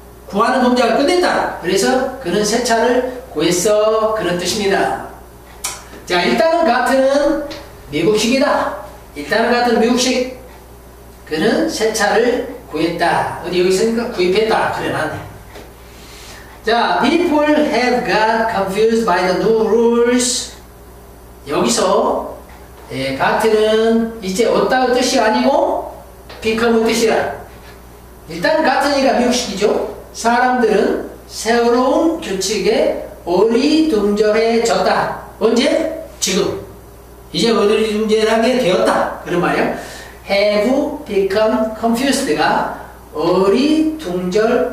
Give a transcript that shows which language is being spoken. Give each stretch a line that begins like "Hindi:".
Korean: 구하는 동작을 끝냈다. 그래서 그는 새 차를 구했어. 그런 뜻입니다. 자, 일단은 같은 미국식이다. 일단은 같은 미국식. 그는 새 차를 구했다. 어디 여기 있으니까 구입했다. 그래 맞네.
English: 자, people have got confused by the new rules.
Korean: 여기서 예, 같은 이제 얻다의 뜻이 아니고 become의 뜻이라. 일단 같으니까 미국식이죠. 사람들은 새로운 규칙에 어리둥절해졌다. 언제? 지금. 이제 어리둥절하게 되었다. 그런 말이에요.
English: Have become confused가 어리둥절해지다.